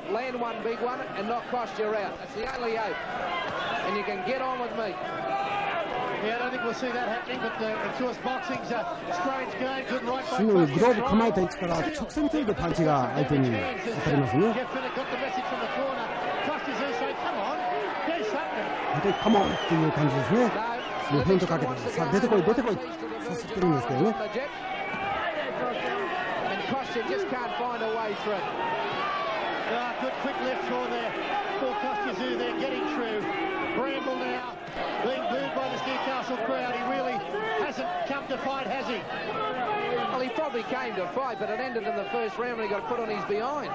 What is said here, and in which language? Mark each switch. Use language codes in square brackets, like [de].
[en] Land one big one and knock Kostya out. That's the only hope. And you can get on with me. Yeah, I don't think we'll see that happening, but of course, boxing's a strange game. Good right by Kostya. [ja] グローブ構えた位置から直線距離でパンチが相手に当たりますね。 [en] Jeff Finnick got the message from the corner. Kostya's there saying, come on, do something. I think, come on, [ja] っていう感じですね。 [en] No. [ja] フェイントかけて、さあ出てこい、出てこい。さすってるんですけどね。 [en] Just can't find a way through. Ah, good quick left claw there for Kostya Tszyu there, getting through. Bramble now being booed by this Newcastle crowd. He really hasn't come to fight, has he? Well, he probably came to fight, but it ended in the first round when he got put on his behind.